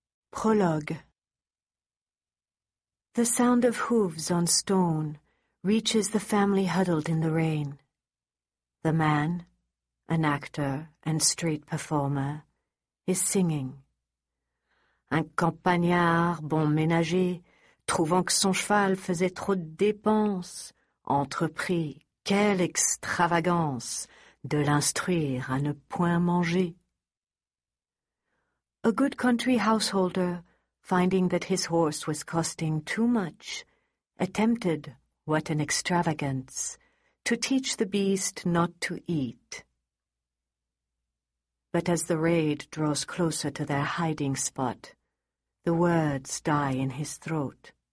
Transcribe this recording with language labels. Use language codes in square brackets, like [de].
[en] Prologue. The sound of hooves on stone reaches the family huddled in the rain. The man, an actor and street performer, is singing. [fr] Un campagnard bon ménager, trouvant que son cheval faisait trop de dépenses, entreprit, quelle extravagance, de l'instruire à ne point manger. [en] A good country householder, finding that his horse was costing too much, attempted, what an extravagance, to teach the beast not to eat. But as the raid draws closer to their hiding spot, the words die in his throat.